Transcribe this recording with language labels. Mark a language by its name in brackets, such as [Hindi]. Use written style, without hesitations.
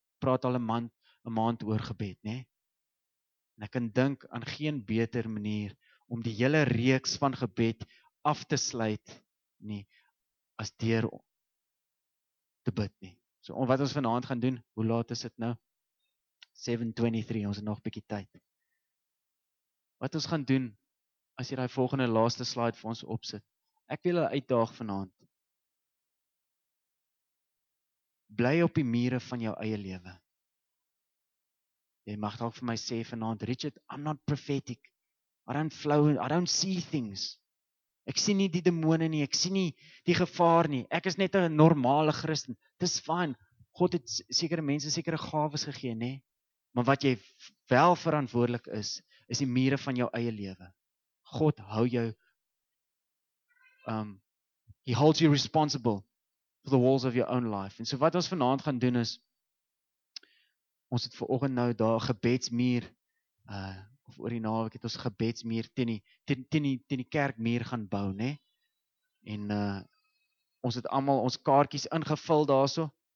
[Afrikaans] Praat al een maand oor gebed, nee? En ek kan dink aan geen beter manier om die hele reeks van gebed af te sluit, nie, as deur te bid, nie. So, wat ons vanavond gaan doen, hoe laat is het nou? 7:23, ons het nog 'n bietjie tyd. Wat ons gaan doen, as jy die volgende laaste slide vir ons opsit, ek wil jou uitdaag vanavond. Bly op die mure van jou eie lewe. Jy mag dalk vir my sê vanaand, Richard, [English] I'm not prophetic. I don't see things. [Afrikaans] Ek sien nie die demone nie, ek sien nie die gevaar nie. Ek is net 'n normale Christen. Dis fyn. God het sekere mense sekere gawes gegee, nê? Maar wat jy wel verantwoordelik is die mure van jou eie lewe. God hou jou [English] He holds you responsible for the walls of your own life. [Afrikaans] En so wat ons vanavond gaan doen is, ons het vanoggend nou daar gebedsmuur, of oor die naweek het ons gebedsmuur teen die kerkmuur gaan bou, nê? Nee? En ons het allemaal ons kaartjies ingevul daarso.